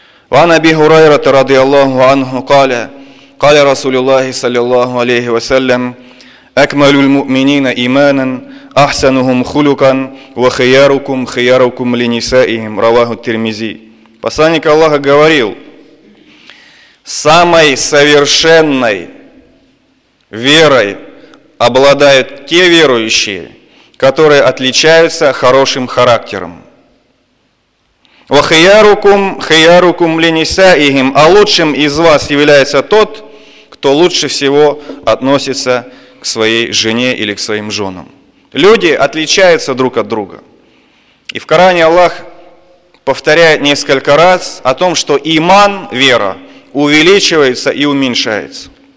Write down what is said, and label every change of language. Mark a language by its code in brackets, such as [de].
[ar] Ва наби хурайрата радиаллаху анху каля, каля Расулиллахи саллиллаху алейхи ва саллям, أكمل المؤمنين إيمانا أحسنهم خلقا وخياركم خياركم لنسائهم رواه الترمذي. [ru] Посланник Аллаха говорил: самой совершенной верой обладают те верующие, которые отличаются хорошим характером. [ar] وخياركم خياركم لنسائهم. [ru] А лучшим из вас является тот, кто лучше всего относится к своей жене или к своим женам. Люди отличаются друг от друга. И в Коране Аллах повторяет несколько раз о том, что иман, вера, увеличивается и уменьшается.